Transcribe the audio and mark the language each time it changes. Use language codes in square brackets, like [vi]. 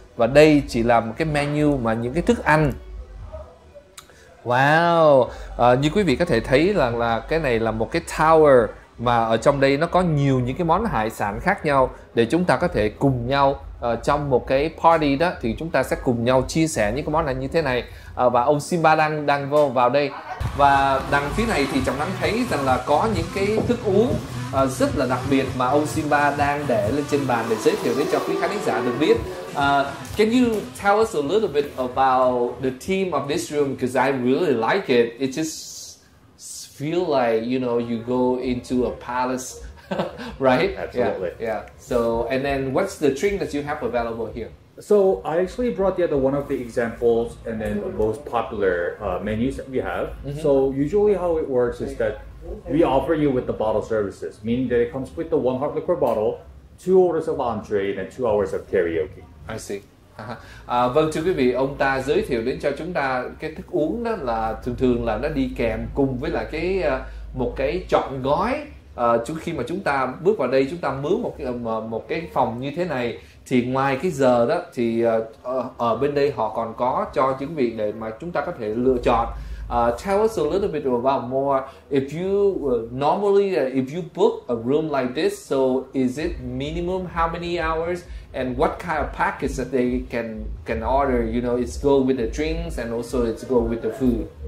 [vi] Và đây chỉ là một cái menu mà những cái thức ăn. Wow, như quý vị có thể thấy là cái này là một cái tower, mà ở trong đây nó có nhiều những cái món hải sản khác nhau để chúng ta có thể cùng nhau trong một cái party đó, thì chúng ta sẽ cùng nhau chia sẻ những cái món ăn như thế này. Và ông Simba đang vào đây, và đằng phía này thì Trọng Thắng thấy rằng là có những cái thức uống rất là đặc biệt mà ông Simba đang để lên trên bàn để giới thiệu đến cho quý khán giả được biết. [en] Can you tell us a little bit about the theme of this room? Because I really like it. It just feel like, you know, you go into a palace, right? Absolutely. Yeah. So, and then what's the drink that you have available here? So I actually brought the other one of the examples and then the most popular menus that we have. Mm-hmm. So usually how it works is that we offer you with the bottle services, meaning that it comes with the one hard liquor bottle, 2 orders of entree, and 2 hours of karaoke. I see. [vi] Vâng, thưa quý vị, ông ta giới thiệu đến cho chúng ta cái thức uống đó là thường thường là nó đi kèm cùng với là cái một cái chọn gói. Khi mà chúng ta bước vào đây, chúng ta mướn một cái phòng như thế này, thì ngoài cái giờ đó thì ở bên đây họ còn có cho quý vị để mà chúng ta có thể lựa chọn. [en] Tell us a little bit about more. If you normally, if you book a room like this, so is it minimum how many hours, and what kind of package that they can order? You know, it's go with the drinks and also it's go with the food.